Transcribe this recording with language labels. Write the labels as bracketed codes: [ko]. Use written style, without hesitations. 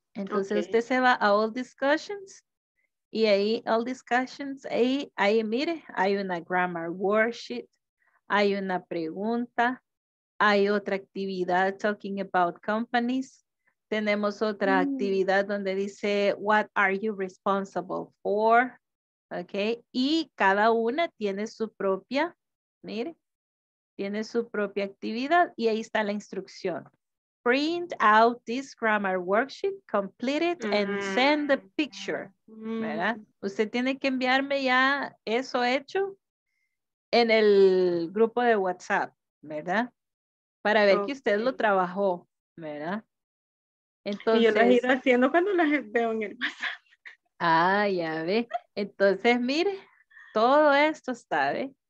[es] Entonces usted se va a All Discussions y ahí All Discussions, ahí, ahí mire, hay una grammar worksheet, hay una pregunta, hay otra actividad [en] talking about companies, [es] tenemos otra actividad donde dice [en] What are you responsible for? [es] Okay, y cada una tiene su propia, mire, tiene su propia actividad y ahí está la instrucción. [en] Print out this grammar worksheet, complete it, and send the picture. [es] ¿Verdad? Usted tiene que enviarme ya eso hecho en el grupo de WhatsApp, ¿verdad? Para ver que usted lo trabajó, ¿verdad? Entonces, y yo las iré haciendo cuando las veo en el WhatsApp. Ah, ya ve. Entonces, mire, todo esto está, ¿ve?